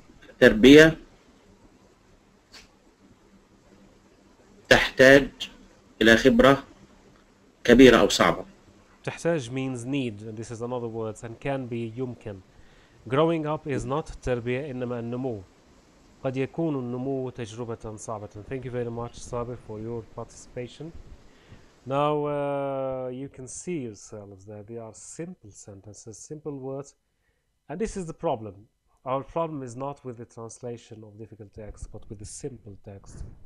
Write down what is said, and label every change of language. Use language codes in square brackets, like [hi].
[ar] التربية تحتاج إلى خبرة كبيرة أو صعبة. [en] تحتاج means need. This is another word and can be يمكن. Growing up is not [ar] تربية إنما النمو. قد يكون النمو تجربة صعبة. [en] Thank you very much, Sabir, for your participation. Now you can see yourselves that they are simple sentences, simple words, and this is the problem. Our problem is not with the translation of difficult text, but with the simple text.